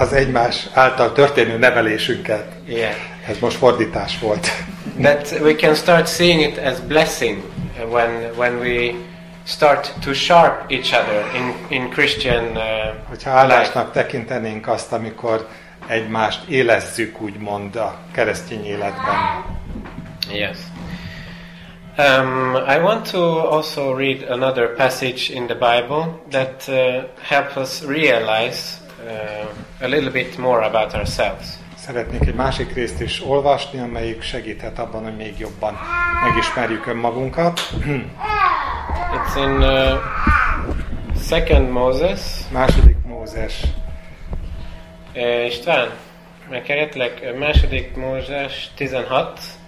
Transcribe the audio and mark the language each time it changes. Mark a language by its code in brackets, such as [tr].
[hu] Az egymás által történő nevelésünket. Yeah. Ez most fordítás volt. [en] That we can start seeing it as blessing when we start to sharp each other in Christian life. [hu] Hogyha áldásnak tekintenénk azt, amikor egymást élezzük, úgymond a keresztény életben. Yes. [en] I want to also read another passage in the Bible that helps us realize a little bit more about ourselves. [hu] Szeretnék egy másik részt is olvasni, amelyik segíthet abban, hogy még jobban megismerjük önmagunkat. [en] It's in Second Moses. [hu] Második Mózes. István, meg kerettlek, Második Mózes 16.